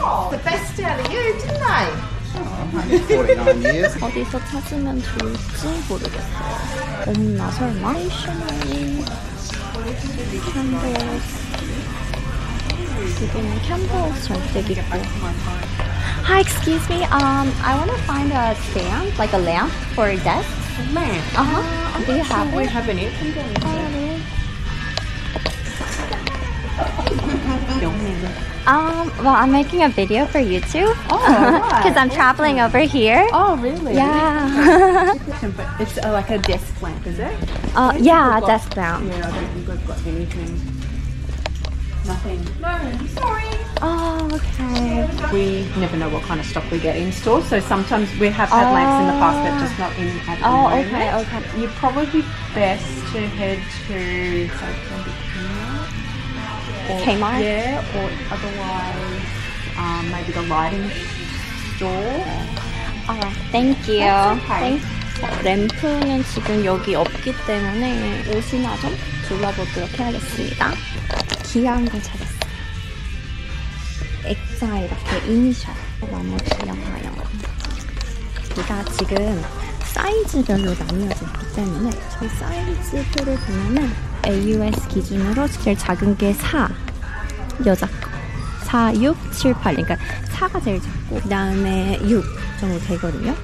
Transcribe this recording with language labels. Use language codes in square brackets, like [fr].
[en] The best day of the year, didn't I? [ko] 어디서 찾으면 좋을지 모르겠어요. 없나 설마? [en] 스테이셔너리 캔버스. [ko] 여기는 캔버스 절대 있고. [en] Hi, excuse me. I want to find a stand, like a lamp for a desk. Lamp? Uh-huh. Do you have it? We have any. Well, I'm making a video for YouTube. Oh, right. Because I'm traveling over here. Oh, really? Yeah. It's like a desk lamp, is it? Yeah, a desk lamp. Yeah, I don't think I've got anything. Nothing. No, sorry. Oh, okay. We never know what kind of stock we get in store, so sometimes we have had lamps in the past, but just not in at the moment. Oh, okay, okay. You're probably best to head to Kmart. Yeah, or otherwise, maybe the lighting store. All right, thank you. That's okay. Thanks. [ko] 램프는 지금 여기 없기 때문에 옷이나 좀 둘러보도록 해야겠습니다. 귀한 거 찾았어. 액자 이렇게 이니셜 나머지는 과연 우리가 지금 사이즈별로 나뉘어져 있기 때문에 저 사이즈표를 보면은 AUS 기준으로 제일 작은 게 4 여자 4, 6, 7, 8 그러니까 4가 제일 작고 그 다음에 6 정도 되거든요.